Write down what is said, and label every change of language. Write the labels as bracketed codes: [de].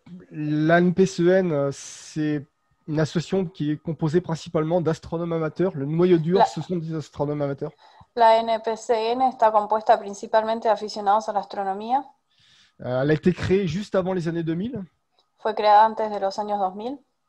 [fr] La NPCEN, c'est une association qui est composée principalement d'astronomes amateurs. Le noyau dur, ce sont des astronomes amateurs. [es] La NPCN está compuesta principalmente de aficionados a la astronomía. [fr] Elle a été créée juste avant les années 2000. [es] Fue creada antes de los años 2000.